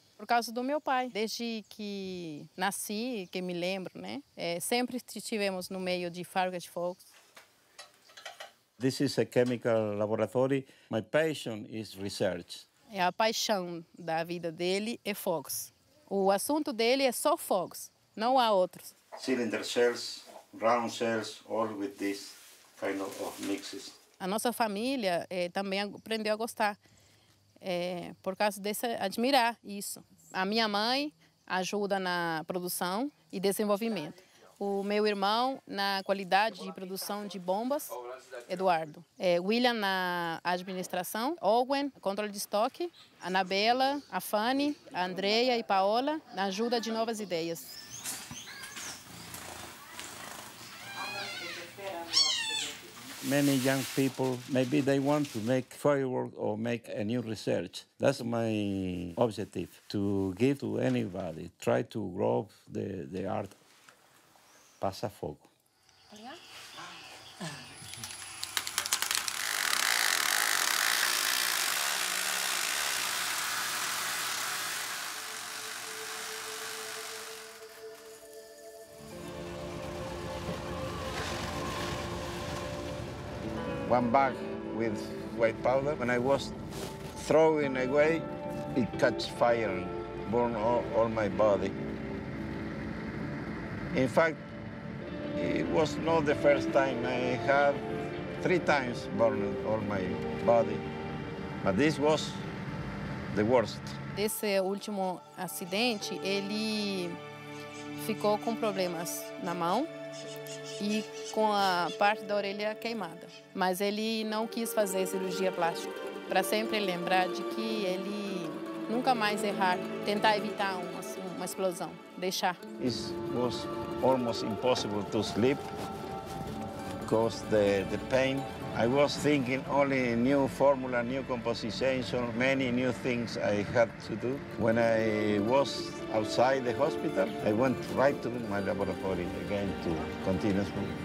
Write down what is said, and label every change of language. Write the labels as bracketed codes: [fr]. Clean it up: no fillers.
[pt] Por causa do meu pai, desde que nasci, que me lembro, né? Sempre estivemos no meio de fábrica de fogos. [en] This is a chemical laboratory. My passion is research. [pt] É a paixão da vida dele é fogos. O assunto dele é só fogos, não há outros. [en] Cylinder cells, round cells, all with this kind of mixes. [pt] A nossa família também aprendeu a gostar por causa desse admirar isso. A minha mãe ajuda na produção e desenvolvimento. O meu irmão na qualidade de produção de bombas, Eduardo. William na administração, Owen, controle de estoque, Anabela, a Fanny, a Andrea e Paola, na ajuda de novas ideias. [en] Many young people, maybe they want to make firework or make a new research. That's my objective, to give to anybody, try to grow the art. [pt] Passa fogo. [en] One bag with white powder, when I was throwing away, it catches fire, burned all my body. In fact, it was not the first time. I had three times burned all my body, but this was the worst. [pt] Esse último acidente, ele ficou com problemas na mão e com a parte da orelha queimada. Mas ele não quis fazer cirurgia plástica, para sempre lembrar de que ele nunca mais errar, tentar evitar uma explosão, deixar. [en] It was almost impossible to sleep because the pain. I was thinking only new formula, new composition, many new things I had to do. When I was outside the hospital, I went right to my laboratory again to continue smoking.